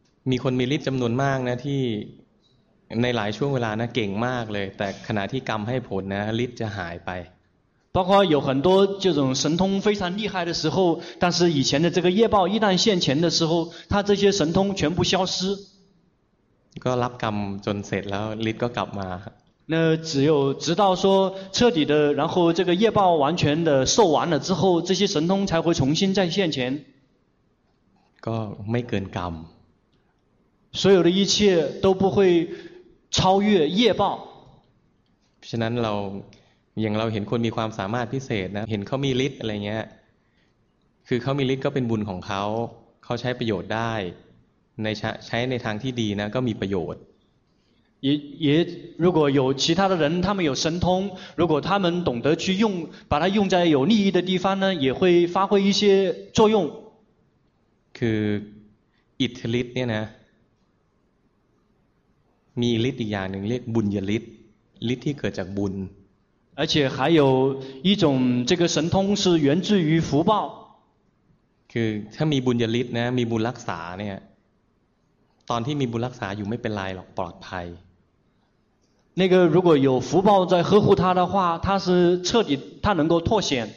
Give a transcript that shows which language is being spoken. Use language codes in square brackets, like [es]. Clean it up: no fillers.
[th] มีคนมีฤทธิ์จำนวนมากนะที่ในหลายช่วงเวลานะเก่งมากเลยแต่ขณะที่กรรมให้ผลนะฤทธิ์จะหายไป [zh] 包括有很多这种神通非常厉害的时候但是以前的这个业报一旦现前的时候他这些神通全部消失 [th] ก็รับกรรมจนเสร็จแล้วฤทธิ์ก็กลับมา [zh] 那只有直到说彻底的然后这个业报完全的受完了之后这些神通才会重新再现前 [th] ก็ไม่เกินกรรม [zh] 所有的一切都不会超越业报 [th] ฉะนั้นเราอย่างเราเห็นคนมีความสามารถพิเศษนะเห็นเขามีฤทธิ์อะไรเงี้ยคือเขามีฤทธิ์ก็เป็นบุญของเขาเขาใช้ประโยชน์ได้ในใช้ในทางที่ดีนะก็มีประโยชน์ [zh] 也如果有其他的人他们有神通如果他们懂得去用把它用在有利益的地方呢也会发挥一些作用 [th] คืออิทธิฤทธิ์เนี่ยนะมีฤทธิ์อีกอย่างหนึ่งเรียกบุญญฤทธิ์ฤทธิ์ที่เกิดจากบุญ [zh] 而且还有一种这个神通是源自于福报 [th] คือถ้ามีบุญญฤทธิ์นะมีบุญรักษาเนี่ยตอนที่มีบุญรักษาอยู่ไม่เป็นไรหรอกปลอดภัย [zh] 那个如果有福报在呵护他的话他是彻底他能够脱险